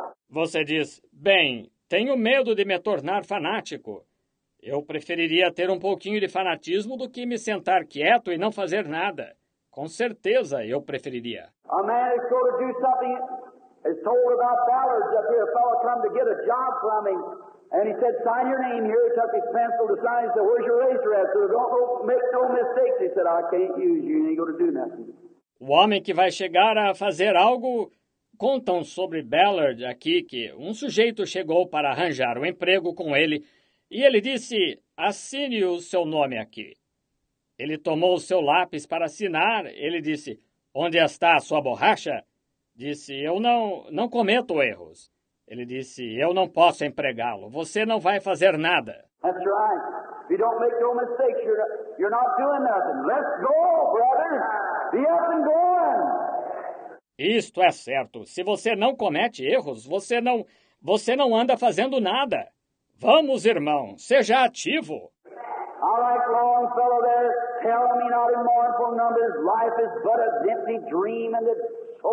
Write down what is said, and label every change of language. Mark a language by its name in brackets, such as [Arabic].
[Portuguese] Você diz, bem, tenho medo de me tornar fanático. Eu preferiria ter um pouquinho de fanatismo do que me sentar quieto e não fazer nada. Com certeza, eu preferiria. [English] A man is going to do something. It's told about Ballard's up here. A fellow come to get a job from him. And he said, sign your name here. He took his pencil to sign. He said, where's your razor at? So don't make no mistakes. He said, I can't use you. You ain't going to do nothing. [Portuguese] O homem que vai chegar a fazer algo, contam sobre Ballard aqui que um sujeito chegou para arranjar um emprego com ele e ele disse, assine o seu nome aqui. Ele tomou o seu lápis para assinar. Ele disse, onde está a sua borracha? Disse, eu não cometo erros. Ele disse, eu não posso empregá-lo. Você não vai fazer nada. [English] That's right. You don't make no mistakes. You're not doing nothing. Let's go, brother. Be up and going. [Portuguese] Isto é certo. Se você não comete erros, você não anda fazendo nada. Vamos, irmão. Seja ativo. [English] I like Longfellow there. Tell me not in mournful numbers. Life is but a empty dream and it's...